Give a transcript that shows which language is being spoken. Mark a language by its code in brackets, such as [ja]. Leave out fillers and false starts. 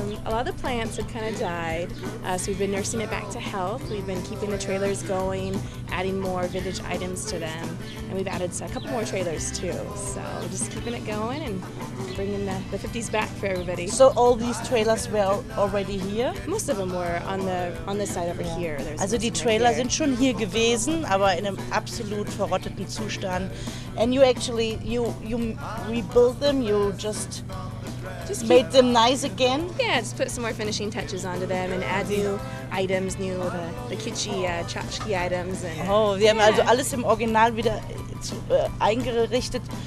[en] A lot of the plants had kind of died, so we've been nursing it back to health. We've been keeping the trailers going, adding more vintage items to them, and we've added a couple more trailers too. So just keeping it going and bringing the 50s back for everybody. So all these trailers were already here? Most of them were on this side over here. There's also [de] die Trailer sind schon hier gewesen, aber in einem absolut verrotteten Zustand. [en] And you actually you rebuild them? You just made them nice again? Yeah, just put some more finishing touches onto them and add new items, new the kitschy tchotchke items. And [de] oh, wir haben also alles im Original wieder eingerichtet.